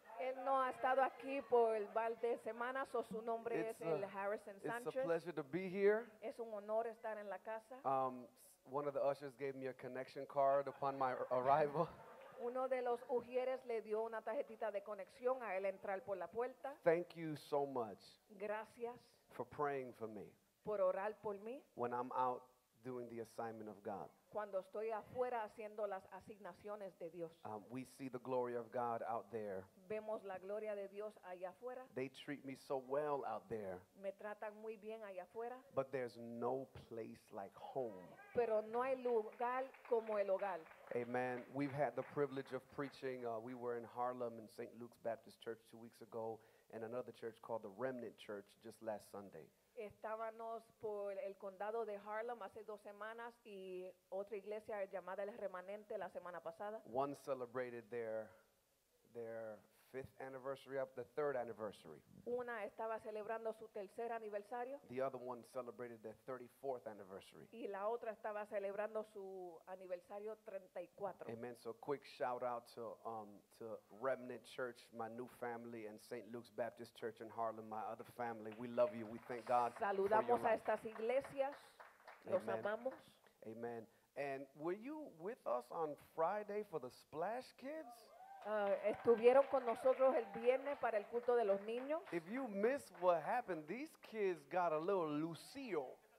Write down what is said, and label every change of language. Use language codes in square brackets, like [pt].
[es] Él no ha estado aquí por el par de semanas, o su nombre es el Harrison Sanchez. [en] It's a pleasure to be here. [es] Es un honor estar en la casa. [en] One of the ushers gave me a connection card upon my arrival. [es] Uno de los ujieres le dio una tarjetita de conexión a él entrar por la puerta. [en] Thank you so much. [es] Gracias. [en] For praying for me. [es] Por orar por mí. [en] When I'm out doing the assignment of God. [es] Cuando estoy afuera haciendo las asignaciones de Dios. [en] We see the glory of God out there. [es] Vemos la gloria de Dios allá afuera. [en] They treat me so well out there. [es] Me tratan muy bien allá afuera. [en] But there's no place like home. [es] Pero no hay lugar como el hogar. [en] Amen. We've had the privilege of preaching. We were in Harlem in St. Luke's Baptist Church 2 weeks ago, and another church called the Remnant Church just last Sunday. [es] Estábamos por el condado de Harlem hace 2 semanas y otra iglesia llamada El Remanente la semana pasada. [en] One celebrated their fifth anniversary of the third anniversary. [es] Una estaba celebrando su tercer aniversario. [en] The other one celebrated their 34th anniversary. [es] Y la otra estaba celebrando su aniversario 34. [en] Amen. So quick shout out to Remnant Church, my new family, and St. Luke's Baptist Church in Harlem, my other family. We love you. We thank God. [es] Saludamos a estas iglesias. Los amamos. [en] Amen. And were you with us on Friday for the Splash Kids? [es] Estuvieron con nosotros el viernes para el culto de los niños. [en] If you miss what happened, these kids got a little Lucille.